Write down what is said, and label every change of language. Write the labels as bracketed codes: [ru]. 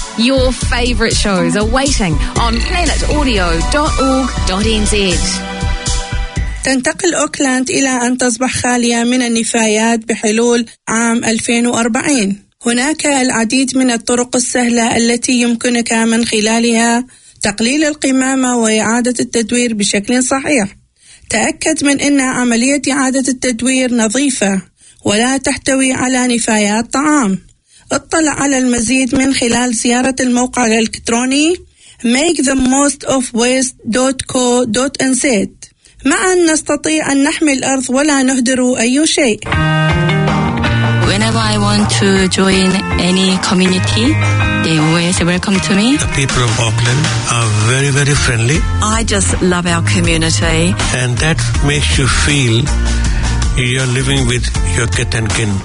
[en] Your favourite shows are waiting on planetaudio.org.nz. [ar] تنتقل أوكلاند إلى أن تصبح خالية من النفايات بحلول عام 2040. هناك العديد من الطرق السهلة التي يمكنك من خلالها تقليل القمامة وإعادة التدوير بشكل صحيح. تأكد من أن عملية إعادة التدوير نظيفة ولا تحتوي على نفايات طعام. اطلع على المزيد من خلال زيارة الموقع الإلكتروني makethemostofwaste.co.nz. معا نستطيع أن نحمي الأرض ولا نهدر أي شيء. [en] Whenever I want to join any community, they always welcome to me. The people of Auckland are very, very friendly. I just love our community. And that makes you feel you're living with your kith and kin.